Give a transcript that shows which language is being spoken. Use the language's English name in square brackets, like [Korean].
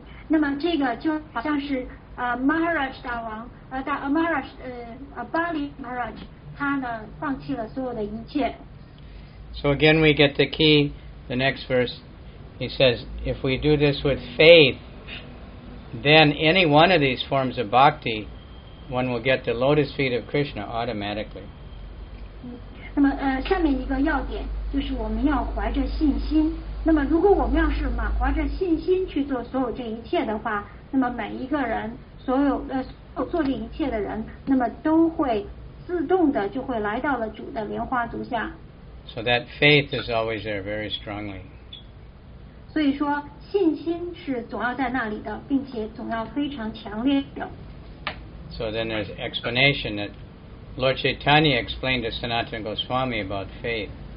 [Chinese] 那么这个就好像是 Maharaj 大王 Maharaj Bali Maharaj 他呢放弃了所有的一切。 [English] So again we get the key, the next verse. He says, if we do this with faith, then any one of these forms of bhakti, one will get the lotus feet of Krishna automatically. [Chinese] 那么下面一个要点就是我们要怀着信心。那么如果我们要是满怀着信心去做所有这一切的话，那么每一个人，所有做这一切的人，那么都会自动的就会来到了主的莲花足下。 [English] So that faith is always there very strongly. [Chinese] 所以说, 信心是总要在那里的, 并且总要非常强烈的。 [English] So then there's explanation that Lord Chaitanya explained to Sanatana Goswami about faith.